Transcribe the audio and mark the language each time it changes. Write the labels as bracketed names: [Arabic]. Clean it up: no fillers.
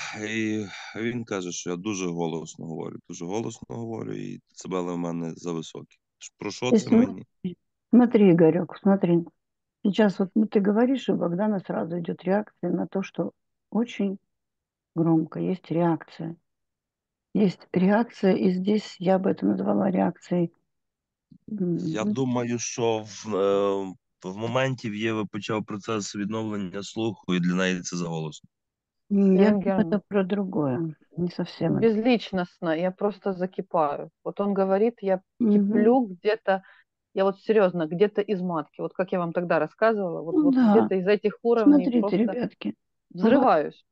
[Ukrainian] І він каже, що я дуже голосно говорю, і децибели в мене зависокі. Про що це мені? [Russian] Смотри, Ігорюк, смотри. Сейчас вот ты говоришь, и у Богдана сразу идет реакция на то, что очень громко есть реакция. Есть реакция, и здесь я бы это назвала реакцией. [Ukrainian] Я думаю, що в моменті в Єви почав процес відновлення слуху, і для неї це заголосно. [Russian] Я думаю про другое, не совсем. Безличностно, я просто закипаю. Вот он говорит, я киплю где-то, я вот серьезно, где-то из матки, вот как я вам тогда рассказывала, вот, ну, вот да. Где-то из этих уровней Смотрите, просто ребятки, взрываюсь